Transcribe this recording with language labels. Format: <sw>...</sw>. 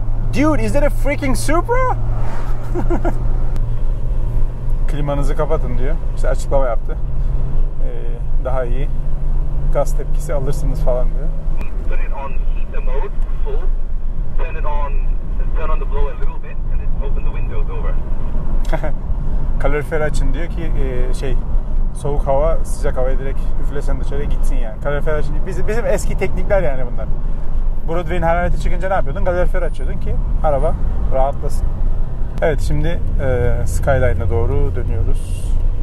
<en>Dude, is that a freaking Supra?</en> <tr>Klimanızı kapatın diyor. İşte açıklama yaptı. Daha iyi gaz tepkisi alırsınız falan diyor.</tr> <en>Turn it on heat mode full. Turn on the blow a little bit and it open the windows over.</en> <tr>Kalorifer açın diyor ki soğuk hava sıcak havaya direkt üflesen dışarıya gitsin yani. Kalorifer açın. Bizim eski teknikler yani bunlar. Broadway'in harareti çıkınca ne yapıyordun? Kalorifer açıyordun ki araba rahatlasın. Evet, şimdi Skyline'a doğru dönüyoruz.</tr>